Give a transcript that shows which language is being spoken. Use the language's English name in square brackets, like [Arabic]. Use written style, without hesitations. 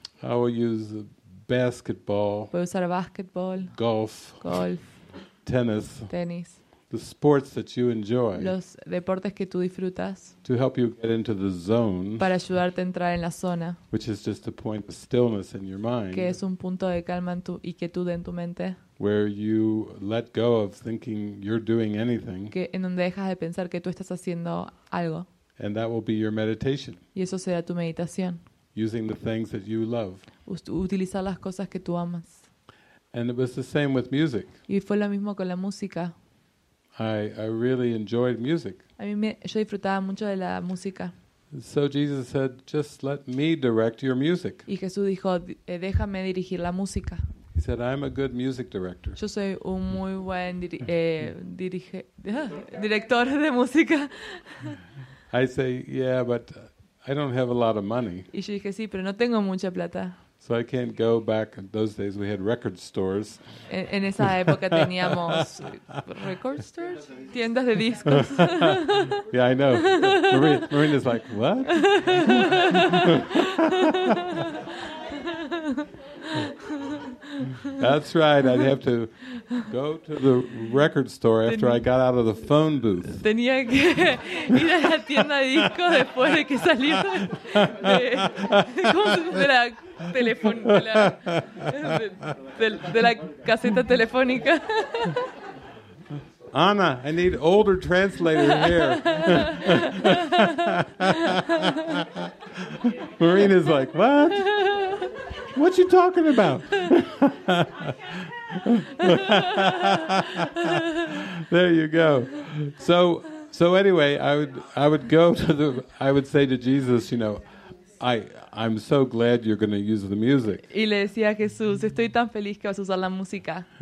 [English] I will use basketball. [Spanish] Voy a usar basketball. [English] Golf. Tennis. [Spanish] Tenis. [English] The sports that you enjoy. [Spanish] Los deportes que tú disfrutas. [English] To help you get into the zone. [Spanish] Para ayudarte a entrar en la zona. [English] Which is just a point of stillness in your mind. [Spanish] Que es un punto de calma en tu y que tú en tu mente. [English] Where you let go of thinking you're doing anything. [Spanish] Que en donde dejas de pensar que tú estás haciendo algo. [English] And that will be your meditation. [Spanish] Y eso será tu meditación. [English] Using the things that you love. [Spanish] Utilizar las cosas que tú amas. [English] And it was the same with music. [Spanish] Y fue lo mismo con la música. [English] I really enjoyed music. [Spanish] A mí yo disfrutaba mucho de la música. [English] So Jesus said, "Just let me direct your music." [Spanish] Y Jesús dijo, déjame dirigir la música. [English] He said, "I'm a good music director." [Spanish] Yo soy un muy buen director de música. [English] I say, "Yeah, but I don't have a lot of money." [Spanish] Y yo dije, sí, pero no tengo mucha plata. [English] So I can't go back. In those days we had record stores. [Spanish] En esa época teníamos [English] record stores, [Spanish] tiendas de discos. [English] Yeah, I know. Marina's like, "What?" That's right. I'd have to go to the record store after I got out of the phone booth. [Spanish] Tenía que ir a la tienda de discos después de que salí de la caseta telefónica. [English] Anna, I need older translator here. Marina's like, "What? What you talking about?" There you go. So anyway, I would go to the I would say to Jesus, you know, I'm so glad you're going to use the music. [Spanish] Y le decía a Jesús, estoy tan feliz que vas a usar la música.